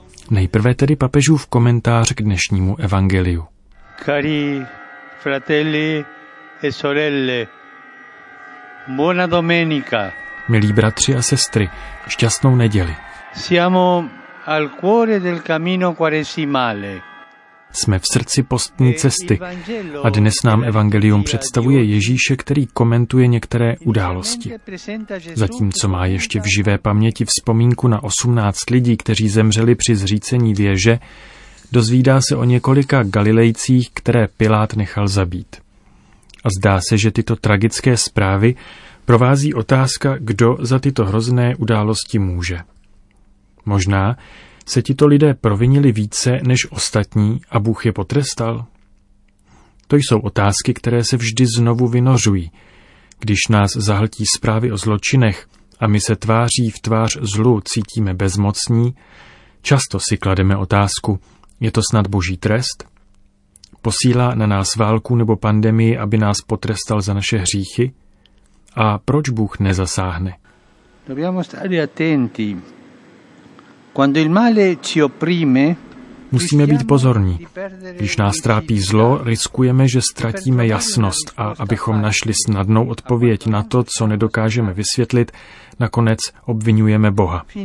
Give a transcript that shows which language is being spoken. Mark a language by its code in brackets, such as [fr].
[cs] Nejprve tedy papežův komentář k dnešnímu evangeliu. [it] Cari fratelli e sorelle, buona domenica. [cs] Milí bratři a sestry, šťastnou neděli. [it] Siamo al cuore del cammino quaresimale. [cs] Jsme v srdci postní cesty a dnes nám evangelium představuje Ježíše, který komentuje některé události. Zatímco má ještě v živé paměti vzpomínku na 18 lidí, kteří zemřeli při zřícení věže, dozvídá se o několika Galilejcích, které Pilát nechal zabít. A zdá se, že tyto tragické zprávy provází otázka, kdo za tyto hrozné události může. Možná se tito lidé provinili více než ostatní a Bůh je potrestal? To jsou otázky, které se vždy znovu vynořují, když nás zahltí zprávy o zločinech a my se tváří v tvář zlu cítíme bezmocní, často si klademe otázku, je to snad boží trest? Posílá na nás válku nebo pandemii, aby nás potrestal za naše hříchy? A proč Bůh nezasáhne? [it] Dobbiamo stare attenti. Quando il male ci opprime, [cs] musíme být pozorní. Když nás trápí zlo, riskujeme, že ztratíme jasnost a abychom našli snadnou odpověď na to, co nedokážeme vysvětlit, nakonec obvinujeme Boha.